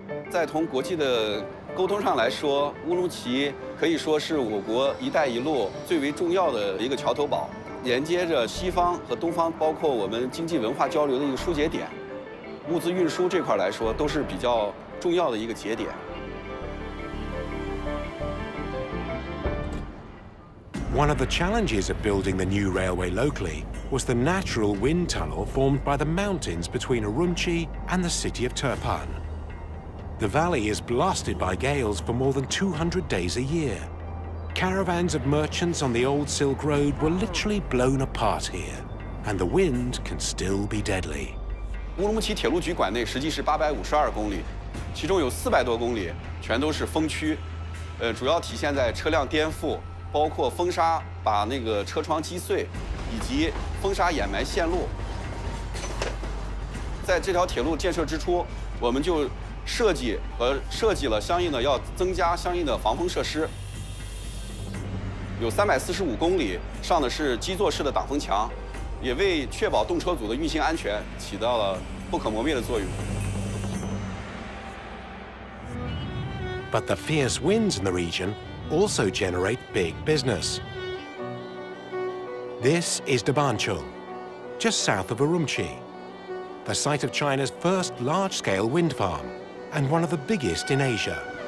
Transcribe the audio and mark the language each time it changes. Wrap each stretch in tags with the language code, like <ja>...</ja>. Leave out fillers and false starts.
<zh>在同国际的沟通上来说，乌鲁木齐可以说是我国“一带一路”最为重要的一个桥头堡，连接着西方和东方，包括我们经济文化交流的一个枢节点，物资运输这块来说都是比较重要的一个节点。</zh> <en>One of the challenges of building the new railway locally was the natural wind tunnel formed by the mountains between Urumqi and the city of Turpan. The valley is blasted by gales for more than 200 days a year. Caravans of merchants on the old Silk Road were literally blown apart here, and the wind can still be deadly.</en> <zh>Urumqi 铁路局管内实际是852公里，其中有400多公里全都是风区，主要体现在车辆颠覆。包括风沙把那个车窗击碎，以及风沙掩埋线路。在这条铁路建设之初，我们就设计了相应的要增加相应的防风设施。有345公里，上的是基座式的挡风墙，也为确保动车组的运行安全起到了不可磨灭的作用。</zh> <en>But the fierce winds in the region also generate big business. This is Dabanchul, just south of Urumqi, the site of China's first large-scale wind farm and one of the biggest in Asia.</en>